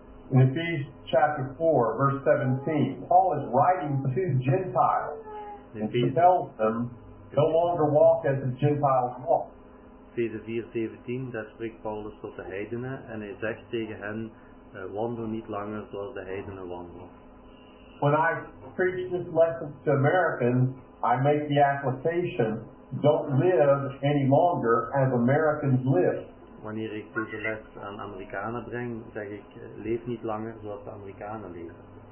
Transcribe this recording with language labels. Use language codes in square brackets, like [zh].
[en] In Ephesians chapter 4, verse 17, Paul is writing to Gentiles. He tells them, no longer walk as the Gentiles walk. [nl] Ephesians 4, 17, daar spreekt Paulus tot de heidenen en hij zegt tegen hen, wandel niet langer zoals de heidenen wandelen. [en] when I preach this lesson to Americans, I make the application, don't live any longer as Americans live. [nl] Wanneer ik deze les aan Amerikanen breng, zeg ik, leef niet langer zoals de Amerikanen leven.